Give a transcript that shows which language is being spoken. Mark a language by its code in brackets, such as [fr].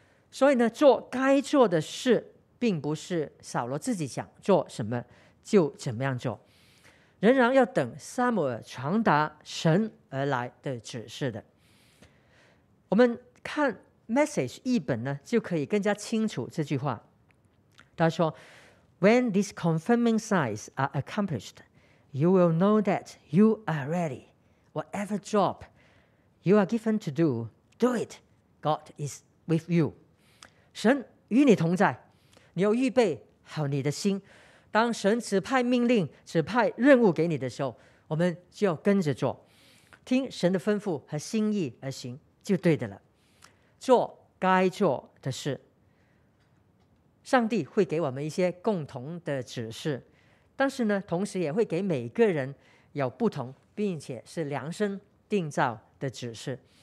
[zh] 所以呢，做该做的事，并不是扫罗自己想做什么就怎么样做，仍然要等撒母耳传达神而来的指示的。我们看 message 译本呢，就可以更加清楚这句话。 [en] 他说 When these confirming signs are accomplished, you will know that you are ready. Whatever job you are given to do, do it. God is with you. [zh] 神与你同在，你要预备好你的心。当神指派命令，指派任务给你的时候，我们就要跟着做，听神的吩咐和心意而行，就对的了。做该做的事，上帝会给我们一些共同的指示，但是呢，同时也会给每个人有不同，并且是量身定造的指示。